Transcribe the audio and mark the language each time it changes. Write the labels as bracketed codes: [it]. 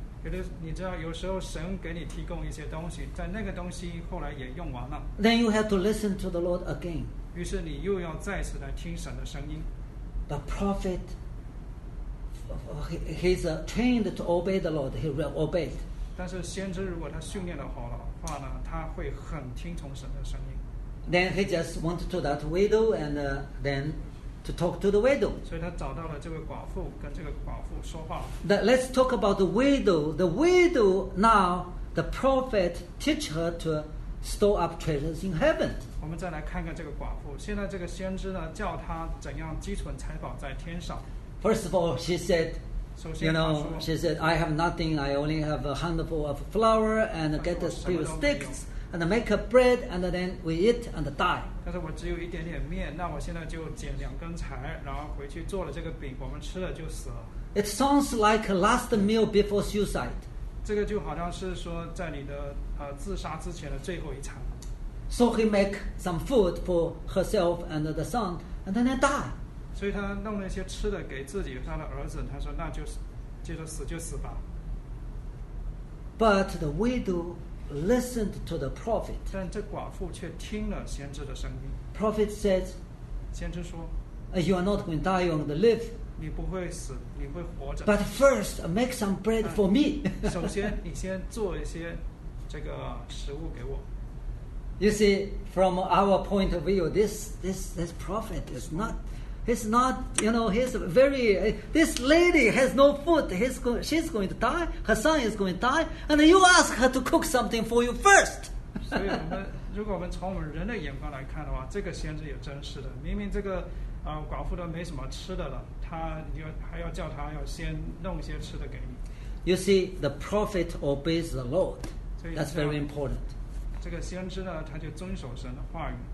[zh] 有的你知道，有时候神给你提供一些东西，在那个东西后来也用完了。 [en] Then you have to listen to the Lord again. [zh] 于是你又要再次来听神的声音。 [en] The prophet. He's trained to obey the Lord. He will obey. [zh] 但是先知如果他训练的好了话呢，他会很听从神的声音。 [en] Then he just went to that widow and then to talk to the widow. [zh] 所以他找到了这位寡妇，跟这个寡妇说话。 [en] That let's talk about the widow. The widow now the prophet teach her to store up treasures in heaven. [zh] 我们再来看看这个寡妇。现在这个先知呢，叫她怎样积存财宝在天上。 [en] First of all, she said, you know, she said, I have nothing, I only have a handful of flour and get a few sticks and make a bread and then we eat and die. [zh] 但是我只有一点点面，那我现在就捡两根柴，然后回去做了这个饼，我们吃了就死了。 [en] It sounds like a last meal before suicide. [zh] 这个就好像是说在你的自杀之前的最后一餐。 [en] So he make some food for herself and the son and then die. [zh] 所以他弄了一些吃的给自己和他的儿子，他说那就接着死就死吧。 [en] But the widow listened to the prophet. [zh] 但这寡妇却听了先知的声音。 [en] Prophet said, [zh] 先知说 [en] ，You are not going to die, you are going to live. [zh] 你不会死，你会活着。 [en] But first, make some bread for me. [zh] 首先，你先做一些这个食物给我。 [en] You see, from our point of view, this prophet is not. He's not, you know, he's very, this lady has no food. She's going to die. Her son is going to die. And you ask her to cook something for you first. [zh] 所以我们如果我们从我们人的眼光来看的话，这个先知也真是的。明明这个寡妇都没什么吃的了，他还要叫他要先弄一些吃的给你。 [en] You see, the prophet obeys the Lord. That's very important. [zh] 这个先知呢，他就遵守神的话语。